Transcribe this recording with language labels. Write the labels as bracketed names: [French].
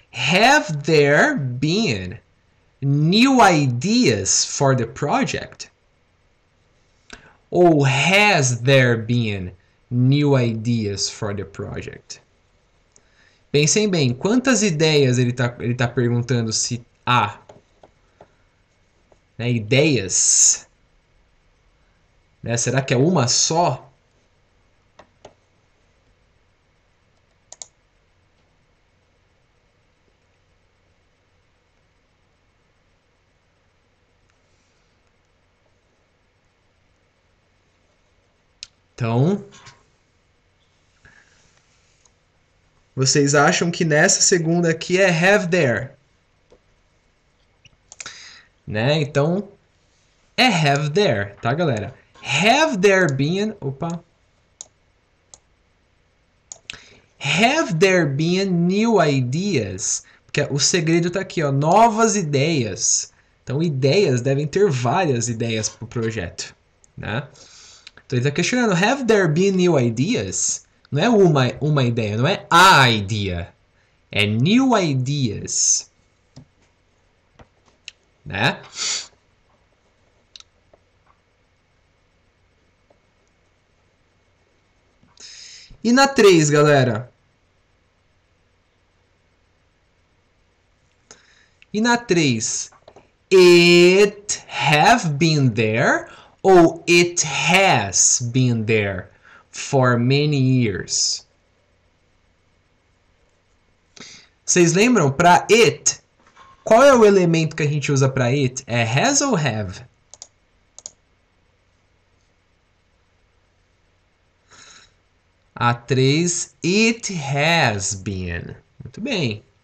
[English] Have there been new ideas for the project? [Portuguese] Ou [English] has there been new ideas for the project? [Portuguese] Pensem bem, quantas ideias ele tá perguntando se há? Né, ideias? Né, será que é uma só? Então, vocês acham que nessa segunda aqui é [English] have there? [Portuguese] Né? Então, é [English] have there, [Portuguese] tá, galera? [English] Have there been. [Portuguese] Opa! [English] Have there been new ideas? [Portuguese] Porque o segredo tá aqui, ó. Novas ideias. Então, ideias devem ter várias ideias pro projeto, né? Então ele está questionando, [English] have there been new ideas? [Portuguese] Não é uma ideia, não é a idea. É [English] new ideas. [Portuguese] Né? E na 3, galera? E na 3, [English] it have been there [Portuguese] ou [English] it has been there for many years? [Portuguese] Vocês lembram? Para it, qual é o elemento que a gente usa para it? É has ou have? A 3, [English] it has been. [Portuguese] Muito bem.